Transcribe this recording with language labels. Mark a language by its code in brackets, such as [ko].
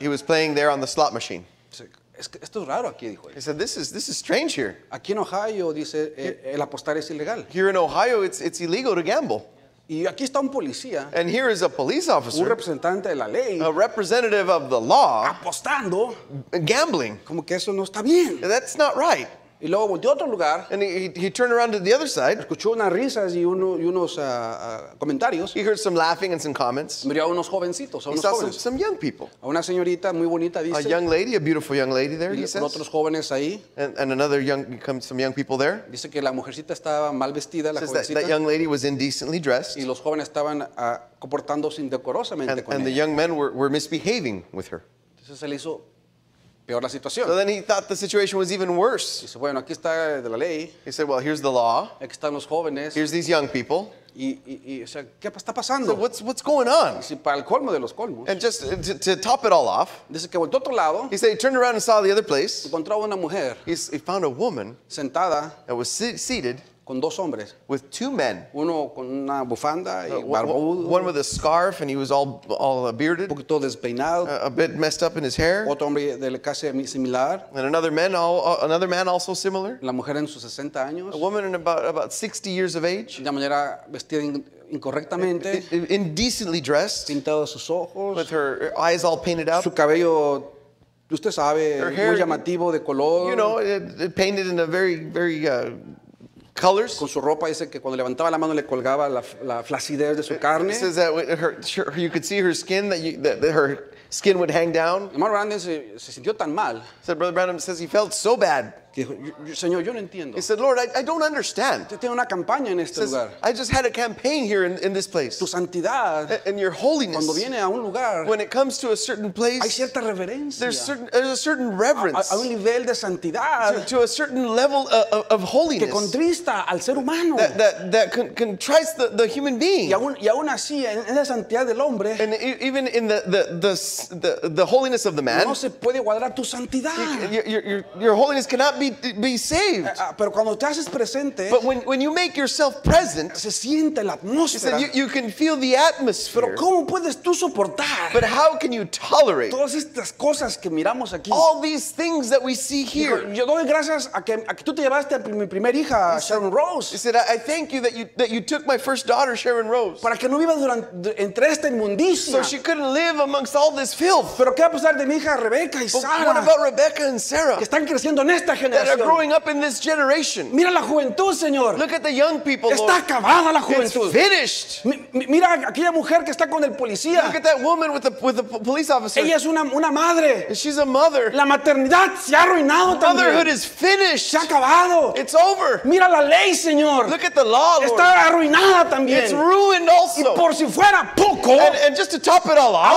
[en] He was playing there on the slot machine. [es] Esto es raro aquí, dijo él. [en] He said, this is strange here. [es] Aquí en Ohio, dice, el apostar es ilegal. [en] Here in Ohio, it's illegal to gamble. [es] Y aquí está un policía. [en] And here is a police officer. [es] Un representante de la ley. [en] A representative of the law. [es] Apostando. [en] Gambling. [es] Como que eso no está bien. [en] That's not right. [es] Y luego volteó a otro lugar. [en] And he turned around to the other side. [es] Escuchó unas risas y unos comentarios. [en] He heard some laughing and some comments. [es] Miró a unos jovencitos, a unos [en] saw [es] jóvenes. [en] Some young people. [es] A una señorita muy bonita, dice. [en] A young lady, a beautiful young lady there, he says. [es] Y otros jóvenes ahí. [en] And another some young people there. [es] Dice que la mujercita estaba mal vestida, la [en] says [es] jovencita. [en] That young lady was indecently dressed. [es] Y los jóvenes estaban comportándose indecorosamente con ella. [en] And the young men were misbehaving with her. [es] Entonces se le hizo peor la situación. [en] So then he thought the situation was even worse. [es] Dice, bueno, aquí está de la ley. [en] He said, well, here's the law. [es] Aquí están los jóvenes. [en] Here's these young people. [es] Y o sea, ¿qué está pasando? [en] So what's going on? [es] Dice, para el colmo de los colmos. [en] And just to top it all off. [es] Dice que volteó a otro lado. [en] He said he turned around and saw the other place. [es] Encontró una mujer. [en] He found a woman [es] sentada [en] that was seated [es] con dos hombres. [en] With two men. [es] Uno con una bufanda y barbudo. [en] One with a scarf and he was all bearded. [es] Un poquito despeinado. [en] A bit messed up in his hair. [es] Otro hombre de casi similar. [en] And another man also similar. [es] La mujer en sus 60 años. [en] A woman in about 60 years of age. [es] De manera vestida incorrectamente. [en] Indecently dressed. [es] Pintado sus ojos. [en] With her eyes all painted up. [es] Su cabello, usted sabe, muy llamativo de color. [en] You know, it painted in a very, very colors. [es] Con su ropa dice que cuando levantaba la mano le colgaba la flacidez de su carne. [en] It says that you could see her skin, that her skin would hang down. [es] Hermano Brandon se sintió tan mal. [en] Said Brother Brandon says he felt so bad. [es] Señor, yo no entiendo. [en] He said, Lord, I don't understand. [es] Yo tengo una campaña en este lugar. [en] I just had a campaign here in this place. [es] Tu santidad. [en] And your holiness. [es] Cuando viene a un lugar. [en] When it comes to a certain place. [es] Hay cierta reverencia. [en] There's a certain reverence. [es] A un nivel de santidad. [en] To a certain level of holiness. [es] Que contrista al ser humano. [en] That contrites the human being. [es] Y aún así, en la santidad del hombre. [en] And even in the holiness of the man. [es] No se puede guardar tu santidad. [en] Your holiness cannot be saved. [es] Pero cuando te haces presente, [en] but when you make yourself present, [es] se siente la atmósfera. [en] Said, you can feel the atmosphere. [es] Pero ¿cómo puedes tú soportar? [en] But how can you tolerate [es] todas estas cosas que miramos aquí? [en] All these things that we see here. [es] Yo doy gracias a que tú te llevaste a mi primer hija, [en] he Sharon Rose. He said, I thank you that you took my first daughter, Sharon Rose. [es] Para que no viva entre esta inmundicia. [en] So she couldn't live amongst all this filth. [es] Pero ¿qué va a pasar de mi hija Rebecca y Sarah? [en] What about Rebecca and Sarah? [es] Que están creciendo en esta [en] that are growing up in this generation. [es] Mira la juventud, Señor. [en] Look at the young people, [es] está [en] Lord. [es] Acabada la juventud. [en] It's finished. [es] Mira aquella mujer que está con el policía. [en] Look at that woman with the police officer. [es] Ella es una madre. [en] And she's a mother. [es] La maternidad se ha arruinado. [en] Motherhood is finished. [es] Se ha acabado. [en] It's over. [es] Mira la ley, Señor. [en] Look at the law, Lord. [es] Está arruinada también. [en] It's ruined also. [es] Y por si fuera poco, [en] and just to top it all off,